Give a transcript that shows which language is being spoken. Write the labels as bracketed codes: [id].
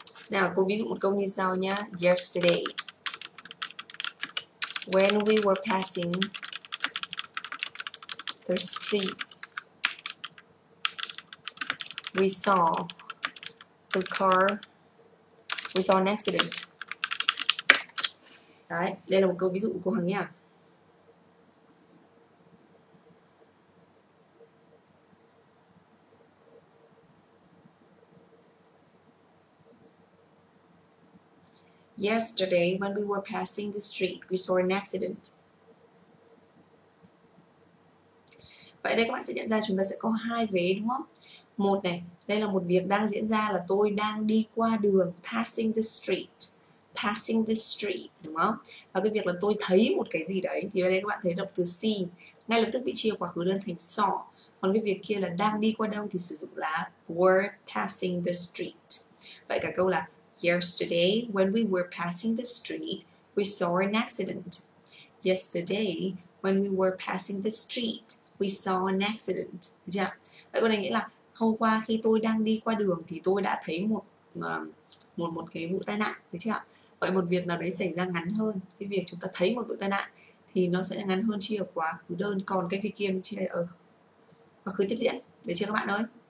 [vi] Nào, cô ví dụ một câu như sau nhá. [en] Yesterday, when we were passing the street, we saw a car, we saw an accident. [vi] Đấy, đây là một câu ví dụ của cô Hằng nhá. [en] Yesterday, when we were passing the street, we saw an accident. [vi] Vậy đây các bạn sẽ nhận ra chúng ta sẽ có hai vế đúng không? Một này, đây là một việc đang diễn ra là tôi đang đi qua đường, [en] passing the street. Passing the street, [vi] đúng không? Và cái việc là tôi thấy một cái gì đấy, thì ở đây các bạn thấy động từ see. Ngay lập tức bị chia quá khứ đơn thành saw. Còn cái việc kia là đang đi qua đâu thì sử dụng là [en] were passing the street. [vi] Vậy cả câu là [en] yesterday, when we were passing the street, we saw an accident. Yesterday, when we were passing the street, we saw an accident. Yeah. [vi] Vậy câu này nghĩa là hôm qua khi tôi đang đi qua đường thì tôi đã thấy một cái vụ tai nạn. Được chưa? Vậy một việc nào đấy xảy ra ngắn hơn, cái việc chúng ta thấy một vụ tai nạn thì nó sẽ ngắn hơn chia ở quá khứ đơn. Còn cái việc kia chia ở quá khứ tiếp diễn. Được chưa các bạn ơi?